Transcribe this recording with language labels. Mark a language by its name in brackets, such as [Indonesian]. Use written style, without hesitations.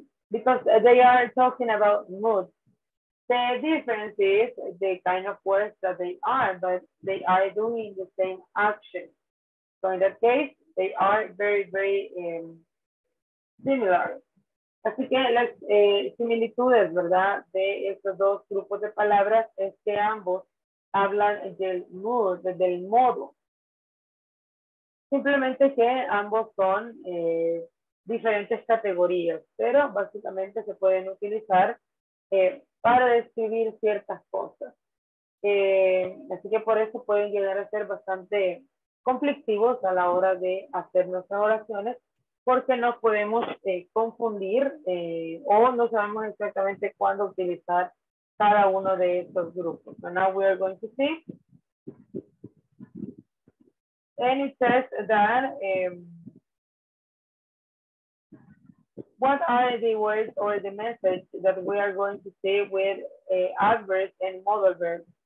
[English] Because they are talking about moods. The difference is the kind of words that they are, but they are doing the same action. So in that case, they are very, very similar. [Spanish] Así que las similitudes, ¿verdad? De estos dos grupos de palabras es que ambos hablan del mood, del modo. Simplemente que ambos son diferentes categorías, pero básicamente se pueden utilizar para describir ciertas cosas. Así que por eso pueden llegar a ser bastante conflictivos a la hora de hacer nuestras oraciones porque nos podemos confundir o no sabemos exactamente cuándo utilizar cada uno de estos grupos. [English] So now we are going to see. And it says that what are the words or the message that we are going to see with adverbs and modal verbs.